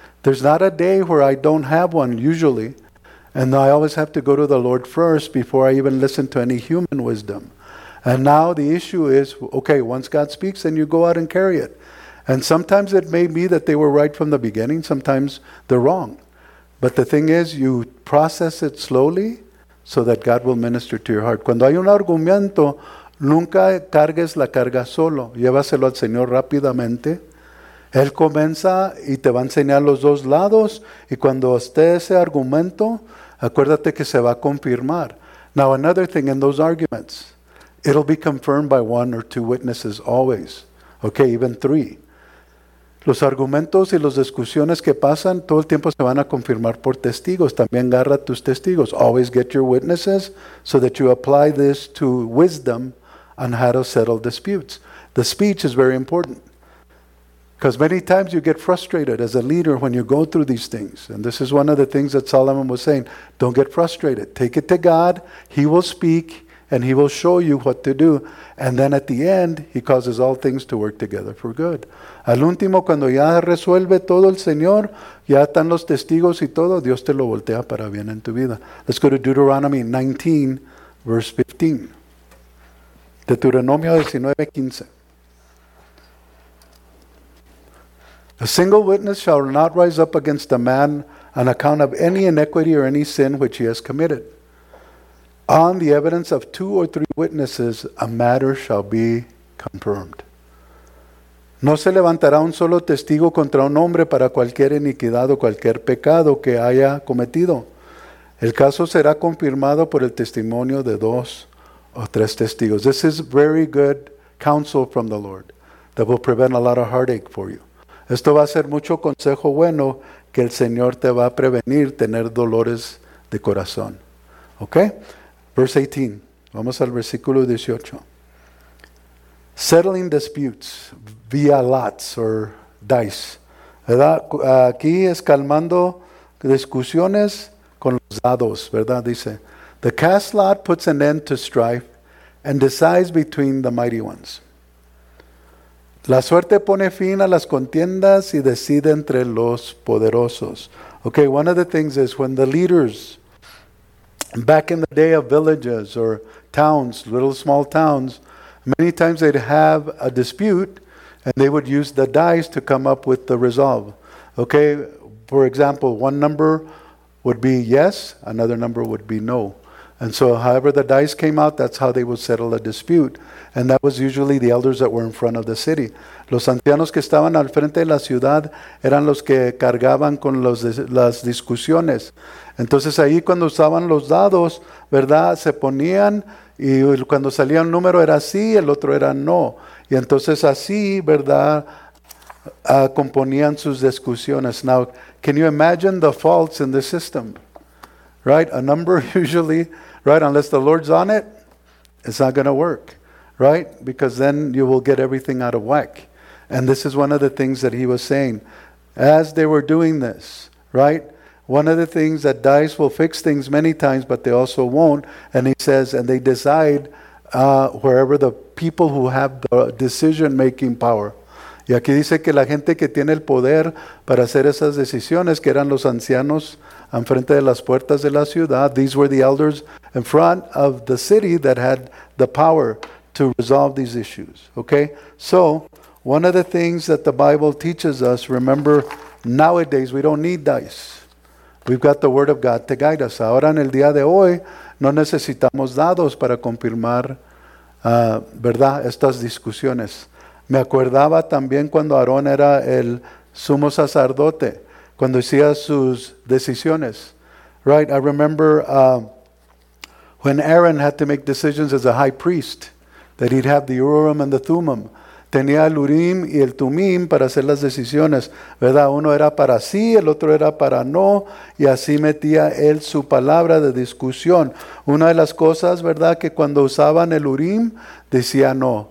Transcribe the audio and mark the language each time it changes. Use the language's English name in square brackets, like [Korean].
[English] There's not a day where I don't have one, usually. And I always have to go to the Lord first before I even listen to any human wisdom. And now the issue is, okay, once God speaks, then you go out and carry it. And sometimes it may be that they were right from the beginning. Sometimes they're wrong. But the thing is, you process it slowly so that God will minister to your heart. [Spanish] Cuando hay un argumento, nunca cargues la carga solo. Llévaselo al Señor rápidamente. Él comienza y te va a enseñar los dos lados. Y cuando esté ese argumento, acuérdate que se va a confirmar. [English] Now, another thing in those arguments, it'll be confirmed by one or two witnesses always. Okay, even three. [Spanish] Los argumentos y las discusiones que pasan todo el tiempo se van a confirmar por testigos. También agarra tus testigos. [English] Always get your witnesses so that you apply this to wisdom on how to settle disputes. The speech is very important. Because many times you get frustrated as a leader when you go through these things. And this is one of the things that Solomon was saying. Don't get frustrated. Take it to God. He will speak and He will show you what to do. And then at the end, He causes all things to work together for good. [Spanish] Al último, cuando ya resuelve todo el Señor, ya están los testigos y todo, Dios te lo voltea para bien en tu vida. [English] Let's go to Deuteronomy 19, verse 15. [Spanish] Deuteronomio 19, 15. [English] A single witness shall not rise up against a man on account of any iniquity or any sin which he has committed. On the evidence of two or three witnesses, a matter shall be confirmed. [Spanish] No se levantará un solo testigo contra un hombre para cualquier iniquidad o cualquier pecado que haya cometido. El caso será confirmado por el testimonio de dos o tres testigos. [English] This is very good counsel from the Lord that will prevent a lot of heartache for you. [Spanish] Esto va a ser mucho consejo bueno que el Señor te va a prevenir tener dolores de corazón. [English] Okay? Verse 18. [Spanish] Vamos al versículo 18. [English] Settling disputes via lots or dice. ¿Verdad? [Spanish] Aquí es calmando discusiones con los dados, ¿verdad? [English] Dice, the cast lot puts an end to strife and decides between the mighty ones. [Spanish] La suerte pone fin a las contiendas y decide entre los poderosos. [English] Okay, one of the things is when the leaders, back in the day of villages or towns, little small towns, many times they'd have a dispute and they would use the dice to come up with the resolve. Okay, for example, one number would be yes, another number would be no. And so however the dice came out, that's how they would settle a dispute. And that was usually the elders that were in front of the city. [Spanish] Los ancianos que estaban al frente de la ciudad eran los que cargaban con las discusiones. Entonces ahí cuando usaban los dados, ¿verdad? Se ponían y cuando salía un número era sí, el otro era no. Y entonces así, ¿verdad? Componían sus discusiones. [English] Now, can you imagine the faults in the system? Right? A number usually, right? Unless the Lord's on it, it's not going to work. Right? Because then you will get everything out of whack. And this is one of the things that he was saying. As they were doing this, right? One of the things that dice will fix things many times, but they also won't. And he says, and they decide wherever the people who have the decision-making power. [Spanish] Y aquí dice que la gente que tiene el poder para hacer esas decisiones, que eran los ancianos en frente de las puertas de la ciudad, [English] these were the elders in front of the city that had the power to resolve these issues, okay? So, one of the things that the Bible teaches us, remember, nowadays we don't need dice. We've got the Word of God to guide us. [Spanish] Ahora en el día de hoy, no necesitamos dados para confirmar, ¿verdad?, estas discusiones. Me acordaba también cuando Aarón era el sumo sacerdote, cuando hacía sus decisiones. [English] Right, I remember when Aaron had to make decisions as a high priest, that he'd have the Urim and the Thummim. [Spanish] Tenía el Urim y el Tumim para hacer las decisiones, ¿verdad? Uno era para sí, el otro era para no, y así metía él su palabra de discusión. Una de las cosas, ¿verdad?, que cuando usaban el Urim, decía no.